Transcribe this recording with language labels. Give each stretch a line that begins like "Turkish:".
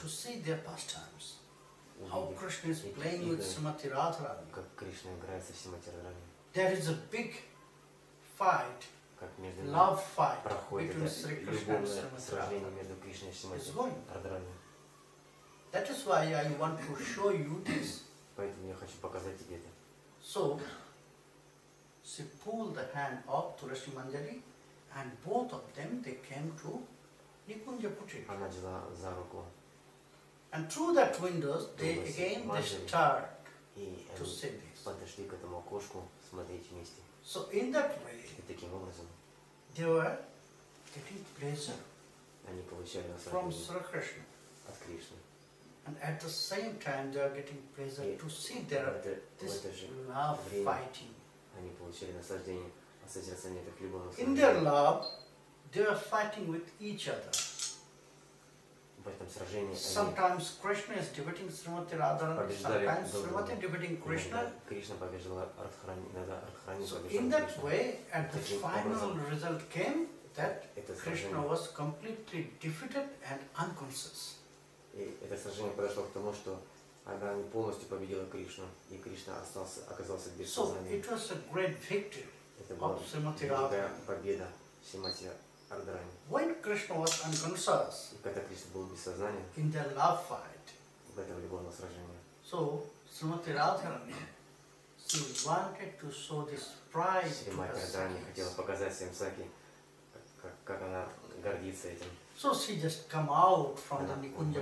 English: To see their pastimes. How Krishna is playing with Srimati Radharani.
Russian: Как Кришна играет со Шримати Радхарани.
English: There is a big fight.
Russian: Как между
English: love fight
Russian: проходит сражение между Кришной и Шримати Радхарани.
English: That is why I want to show you this.
Russian: Поэтому я хочу показать тебе это.
English: So, she pulled the hand of Kushumanjali, and both of them they came to Nikunja Kutir.
Russian: Она взяла за руку.
English: And through that windows, they again they start to see this.
Russian: Подошли к этому окошку смотреть вместе.
English: So in that way,
Russian: и таким образом,
English: they were getting pleasure.
Russian: Они получали наслаждение от Кришны.
English: And at the same time, they are getting pleasure to see their this love
Russian: время,
English: fighting.
Russian: Они получили наслаждение от созерцания этих любовных сражений.
English: In their love, they are fighting with each other.
Russian: В этом сражении они.
English: Sometimes Krishna is defeating Srimati Radharani. Sometimes Srimati defeating Krishna.
Russian: Кришна побеждала Радхарани, иногда Радхарани побеждала.
English: So in that way, at the final result came that Krishna was completely defeated and unconscious.
Russian: И это сражение подошло к тому, что Радхарани полностью победила Кришну, и Кришна остался, оказался без сознания.
English: So it was a great victory.
Russian: Это была великая победа Шримати Радхарани.
English: When Krishna was unconscious.
Russian: И когда Кришна был без сознания.
English: In the love fight.
Russian: В этом любовном сражении.
English: So Srimati Radharani, she wanted to show this pride.
Russian: Шримати Радхарани хотела показать своим саки, как она гордится этим.
English: So she just come out from the Nikunja